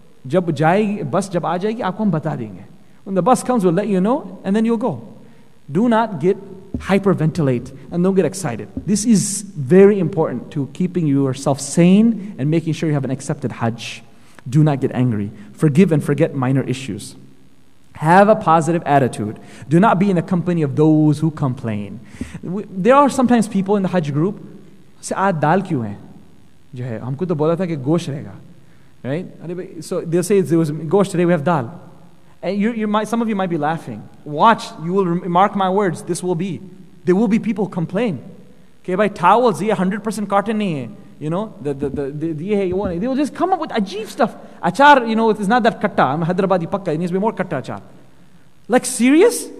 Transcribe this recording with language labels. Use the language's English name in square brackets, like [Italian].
[Urdu] جب جائیگی, bus جب آ جائیگی, آپکو ہم بتا دینگے. [English] When the bus comes, we'll let you know, and then you'll go. Do not get hyperventilate, and don't get excited. This is very important to keeping yourself sane and making sure you have an accepted Hajj. Do not get angry. Forgive and forget minor issues. Have a positive attitude. Do not be in the company of those who complain. There are sometimes people in the Hajj group say, [Urdu] "Aaj dal kyun hai?" جو ہے, ہمکو تو بولا تھا کی گوشت رہیگا, right? [English] So they'll say, "There was gosht today. We have dal." And some of you might be laughing. Watch, you will mark my words. This will be. There will be people who complain. Okay, by towels, 100% carton [Urdu] نہیں ہے. [English] You know, they will just come up with ajeeb stuff. Achar, you know, it's not that katta. I'm Hyderabadi pakka. It needs to be more katta achar. Like, serious?